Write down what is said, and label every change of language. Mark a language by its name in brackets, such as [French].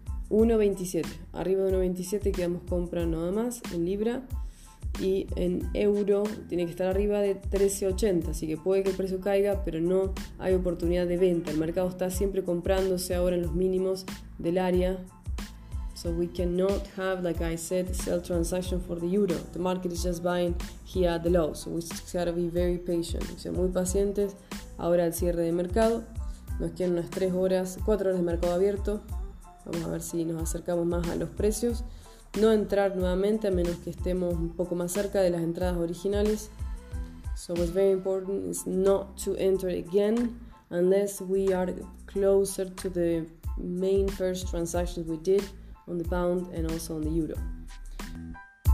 [Spanish] 1.27, arriba de 1.27 quedamos compra nada más en libra. Y en euro tiene que estar arriba de 13.80, así que puede que el precio caiga, pero no hay oportunidad de venta. El mercado está siempre comprándose ahora en los mínimos del área. [English] So we cannot have, like I said, sell transaction for the euro. The market is just buying here at the low. So we just gotta be very patient. [Spanish] O sea, muy pacientes. Ahora al cierre de mercado. Nos quedan unas 3 horas, 4 horas de mercado abierto. Vamos a ver si nos acercamos más a los precios. No entrar nuevamente a menos que estemos un poco más cerca de las entradas originales. [English] So what's very important is not to enter again unless we are closer to the main first transactions we did on the pound and also on the euro.